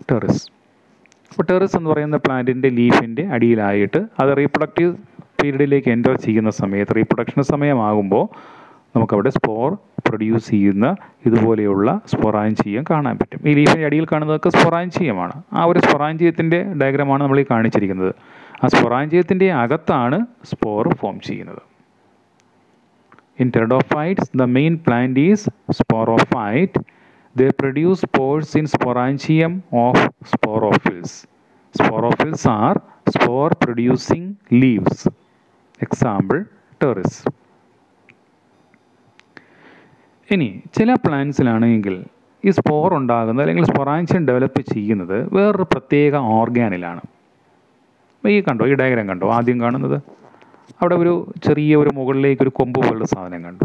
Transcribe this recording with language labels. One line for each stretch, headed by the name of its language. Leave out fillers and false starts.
Malayalam: ടെറിസ്, അപ്പോൾ ടെറിസ് എന്ന് പറയുന്ന പ്ലാന്റിൻ്റെ ലീഫിൻ്റെ അടിയിലായിട്ട് അത് റീപ്രൊഡക്റ്റീവ് പീരീഡിലേക്ക് എൻ്റർ ചെയ്യുന്ന സമയത്ത്, റീപ്രൊഡക്ഷൻ സമയമാകുമ്പോൾ നമുക്കവിടെ സ്പോർ പ്രൊഡ്യൂസ് ചെയ്യുന്ന ഇതുപോലെയുള്ള സ്പൊറാഞ്ചിയം കാണാൻ പറ്റും. ഈ ലീഫിൻ്റെ അടിയിൽ കാണുന്നതൊക്കെ സ്പൊറാഞ്ചിയമാണ്. ആ ഒരു സ്പൊറാഞ്ചിയത്തിൻ്റെ ഡയഗ്രാമാണ് നമ്മൾ ഈ കാണിച്ചിരിക്കുന്നത്. ആ സ്പൊറാഞ്ചിയത്തിൻ്റെ അകത്താണ് സ്പോർ ഫോം ചെയ്യുന്നത്.
English: In pteridophytes the main plant is sporophyte. They produce spores in sporangium of sporophylls. Sporophylls are spore producing leaves. Example, terrace.
Malayalam: ഇനി ചില പ്ലാന്റ്സിലാണെങ്കിൽ ഈ സ്പോർ ഉണ്ടാകുന്നത് അല്ലെങ്കിൽ സ്പൊറാൻഷ്യം ഡെവലപ്പ് ചെയ്യുന്നത് വേറൊരു പ്രത്യേക ഓർഗാനിലാണ്. ഈ കണ്ടോ, ഈ ഡയഗ്രാം കണ്ടോ, ആദ്യം കാണുന്നത് അവിടെ ഒരു ചെറിയ ഒരു മുകളിലേക്ക് ഒരു കൊമ്പ് പോലുള്ള സാധനം കണ്ടു.